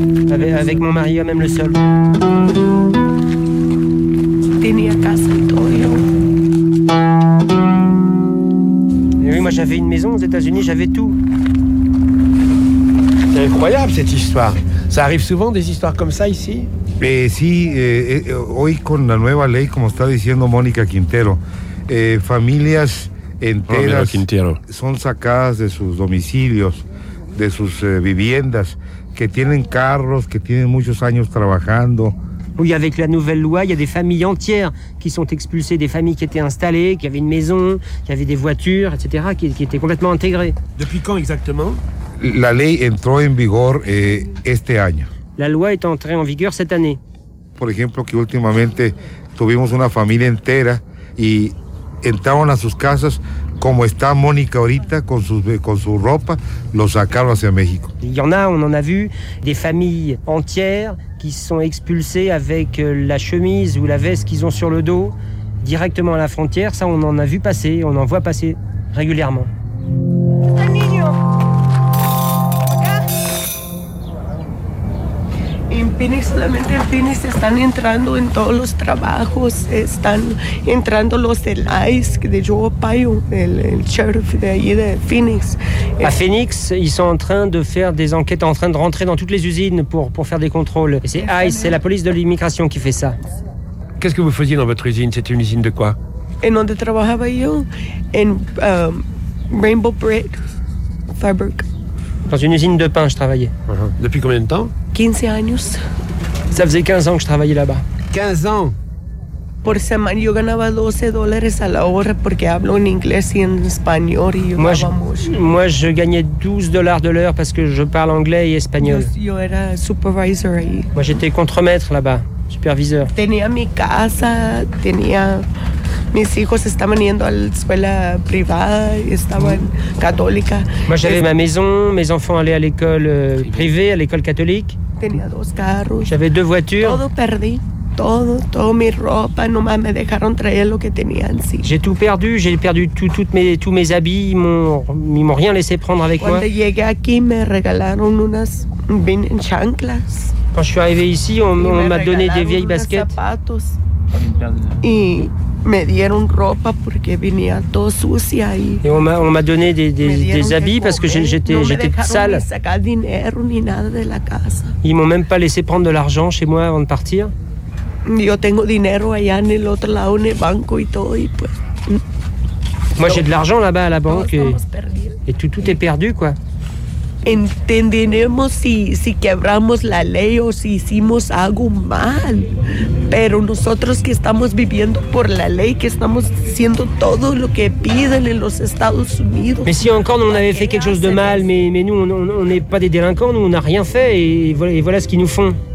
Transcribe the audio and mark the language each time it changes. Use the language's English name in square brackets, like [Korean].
[French] avec mon mari, même le sol. Et oui, moi j'avais une maison aux États-Unis, j'avais tout. C'est incroyable cette histoire. Ça arrive souvent des histoires comme ça ici? [Spanish] Sí, hoy con la nueva ley, como está diciendo Mónica Quintero, familias enteras son sacadas de sus domicilios, de sus viviendas, que tienen carros, que tienen muchos años trabajando. [French] Oui, avec la nouvelle loi, il y a des familles entières qui sont expulsées, des familles qui étaient installées, qui avaient une maison, qui avaient des voitures, etc., qui étaient complètement intégrées. Depuis quand exactement? [Spanish] La ley entró en vigor este año. [French] La loi est entrée en vigueur cette année. [Spanish] Por ejemplo, que últimamente tuvimos una familia entera y entraron a sus casas como está Mónica ahorita con su ropa, lo sacaron hacia México. [French] Il y en a, on en a vu, des familles entières qui sont expulsées avec la chemise ou la veste qu'ils ont sur le dos directement à la frontière. Ça, on en a vu passer, on en voit passer régulièrement. [Spanish] Phoenix, solamente en Phoenix están entrando en todos los trabajos, están entrando los del ICE, de Joe Payo, el sheriff de ahí de Phoenix. [French] A Phoenix, ils sont en train de faire des enquêtes, en train de rentrer dans toutes les usines pour faire des contrôles. Et c'est ICE, c'est la police de l'immigration qui fait ça. Qu'est-ce que vous faisiez dans votre usine? C'était une usine de quoi? [Spanish] En donde trabajaba yo, en Rainbow Bread Fabric. [French] Dans une usine de pain, je travaillais. Uh-huh. Depuis combien de temps? [Spanish] 15 años. [French] Ça faisait 15 ans que je travaillais là-bas. 15 ans? [Spanish] Por semana yo ganaba $12 a la hora porque hablo en inglés y en español. [French] Moi, je gagnais $12 de l'heure parce que je parle anglais et espagnol. [Spanish] Yo era supervisor ahí. [French] Moi, j'étais contremaître là-bas, superviseur. [Spanish] Tenía mi casa, tenía... Mes hijos estaban yendo a la escuela privada, estaban católica. [French] Moi j'avais ma maison, mes enfants allaient à l'école privée, à l'école catholique. [Spanish] Tenía dos carros. [French] J'avais deux voitures. [Spanish] Todo perdí, todo mi ropa, nomás me dejaron traer lo que tenía encima. [French] J'ai tout perdu, j'ai perdu tous mes habits, ils m'ont rien laissé prendre avec [Spanish] cuando [French] moi. [Spanish] Cuando llegué aquí me regalaron unas bien chanclas. [French] Quand je suis arrivé ici, on m'a donné des vieilles baskets. [Spanish] Zapatos. Y me dieron ropa porque venía todo sucia y [French] on m'a donné des habits parce que j'étais sale. [Spanish] No me dejaron ni sacar dinero ni nada de la casa. [French] Ils m'ont même pas laissé prendre de l'argent chez moi avant de partir. [Spanish] Yo tengo dinero allá en el otro lado en el banco y todo y pues. [French] Moi j'ai de l'argent là-bas à la banque et tout est perdu quoi. [Spanish] Entendemos si quebramos la ley o si hicimos algo mal, pero nosotros que estamos viviendo por la ley, que estamos haciendo todo lo que piden en los Estados Unidos. [French] Mais si encore nous on avait fait quelque chose de mal, mais nous on n'est pas des délinquants, nous on n'a rien fait et voilà ce qu'ils nous font.